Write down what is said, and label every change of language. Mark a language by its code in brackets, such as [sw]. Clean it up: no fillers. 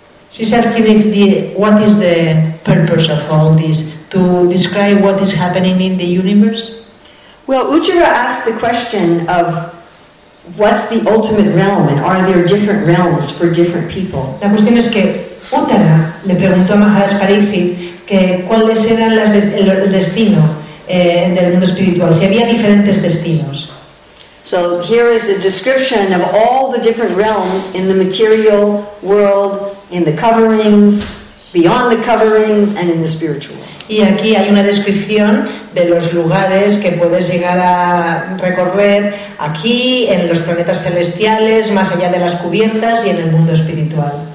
[en] She's asking if what is the purpose of all this, to describe what is happening in the universe? Well, Ujjara asked the question of what's the ultimate realm and are there different realms for different people? [es] La cuestión es que Ujjara le preguntó a Maharaj Pariksit que cuáles eran el destino del mundo espiritual, si había diferentes destinos. [en] So here is a description of all the different realms in the material world, in the coverings, beyond the coverings, and in the spiritual. [es] Y aquí hay una descripción de los lugares que puedes llegar a recorrer aquí, en los planetas celestiales, más allá de las cubiertas y en el mundo espiritual.